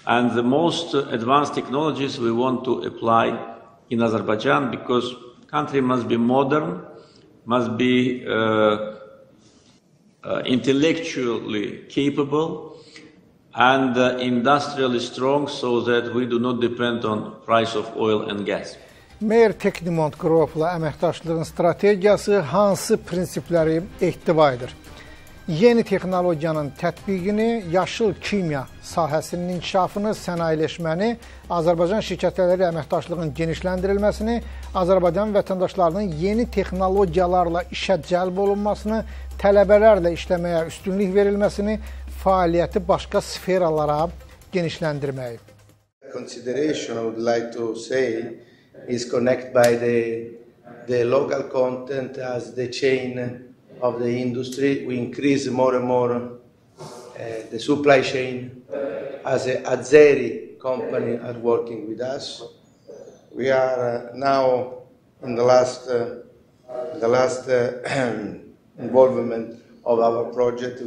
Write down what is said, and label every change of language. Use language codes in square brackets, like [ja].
[en] And the most advanced technologies we want to apply in Azerbaijan, because country must be modern, must be intellectually capable and industrially strong, so that we do not depend on price of oil and gas. [az] Mayr Teknimont Group'la əməkdaşlığın strategiyası hansı prinsipləri ehtiva edir? Yeni texnologiyanın tətbiqini, yaşıl kimya sahəsinin inkişafını, sənayeləşməni, Azərbaycan şirkətləri əməkdaşlığın genişləndirilməsini, Azərbaycan vətəndaşlarının yeni texnologiyalarla işə cəlb olunmasını, tələbələrlə işləməyə üstünlük verilməsini, fəaliyyəti başqa sferalara genişləndirməyi. [en] Consideration I would like to say is connected by the local content as the chain of the industry. We increase more and more the supply chain. As a Azeri company are working with us, we are now in the last involvement of our project.